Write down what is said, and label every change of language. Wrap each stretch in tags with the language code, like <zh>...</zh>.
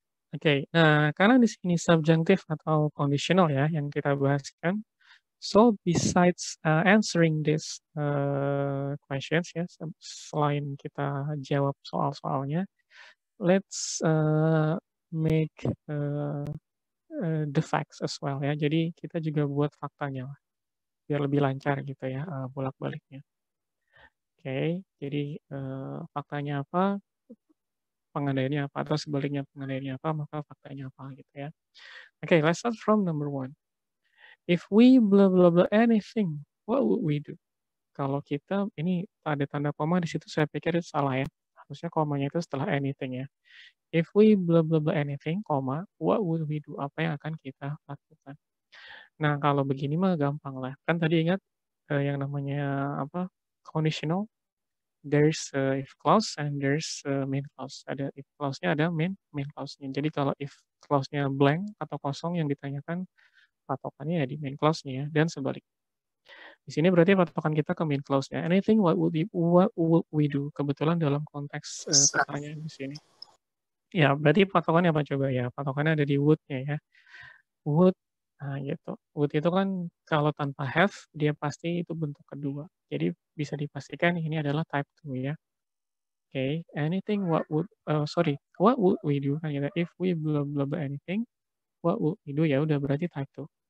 <id>Oke, okay, nah karena di sini subjunctive atau conditional ya yang kita bahas kan,</id> <en>so besides answering this questions</en> <id>ya, selain kita jawab soal-soalnya,</id> <en>let's make the facts as well</en> <id>ya. Jadi kita juga buat faktanya lah, biar lebih lancar gitu ya bolak-baliknya. Oke, okay, jadi faktanya apa? Pengandaiannya apa, atau sebaliknya pengandaiannya apa, maka faktanya apa, gitu ya.</id> <en>Oke, okay, let's start from number one. If we blah blah blah anything, what would we do?</en> <id>Kalau kita, ini ada tanda koma di situ, saya pikir itu salah ya. Harusnya komanya itu setelah anything ya.</id> <en>If we blah blah blah anything, koma, what would we do?</en> <id>Apa yang akan kita lakukan? Nah, kalau begini mah gampang lah. Kan tadi ingat yang namanya apa conditional.</id> <en>There's if clause and there's main clause.</en> <id>Ada if clause-nya, ada main clause-nya. Jadi kalau if clause-nya blank atau kosong, yang ditanyakan patokannya ya di main clause-nya ya, dan sebaliknya. Di sini berarti patokan kita ke main clause-nya.</id> <en>Anything, what would we do?</en> <id>Kebetulan dalam konteks pertanyaan di sini. Ya, berarti patokannya apa coba ya? Patokannya ada di would-nya ya. Would, nah gitu. Would itu kan kalau tanpa have, dia pasti itu bentuk kedua. Jadi bisa dipastikan ini adalah type 2 ya. Oke, okay.</id> <en>Anything what would what would we do kan ya, if we blah blah blah anything, what would we do,</en> <id>ya udah berarti type 2.</id>